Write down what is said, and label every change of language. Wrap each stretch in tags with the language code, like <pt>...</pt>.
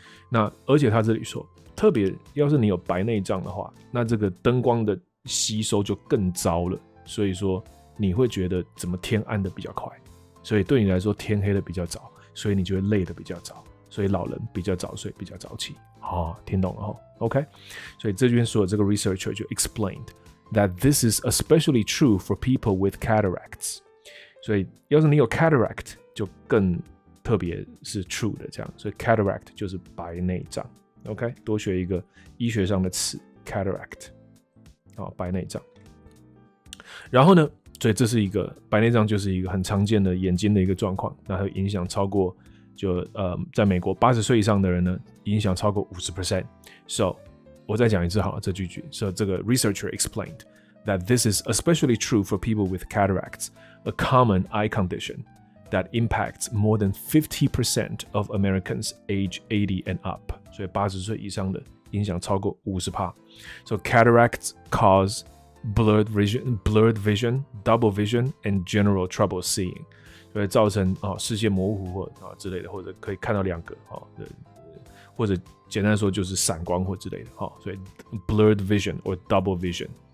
<zh>那而且他这里说，特别要是你有白内障的话，那这个灯光的吸收就更糟了。所以说你会觉得怎么天暗的比较快，所以对你来说天黑的比较早，所以你就会累的比较早。所以老人比较早睡，比较早起。哦，听懂了哦。</zh> <en>OK，</en> <zh>所以这边说的这个</zh> <en>researcher 就 explained that this is especially true for people with cataracts。</en> <zh>所以要是你有 cataract， 就更特别是 true 的这样。所以 cataract 就是白内障。OK， 多学一个医学上的词 cataract， 哦，白内障。然后呢，所以这是一个白内障，就是一个很常见的眼睛的一个状况，那它影响超过。就在美国80岁以上的人呢影响超过 50%。</zh> <en>So</en> <zh>我再讲一次好了，这句句</zh> <en>So 这个 researcher explained that this is especially true for people with cataracts, a common eye condition that impacts more than 50% of Americans age 80 and up.</en> <zh>所以80岁以上的影响超过 50%。</zh> <en>So cataracts cause blurred vision, double vision and general trouble seeing，</en> <zh>会造成视线模糊或之类的，或者可以看到两个，或者简单说就是散光或之类的，</zh> <en>所以 blurred vision or double vision。</en>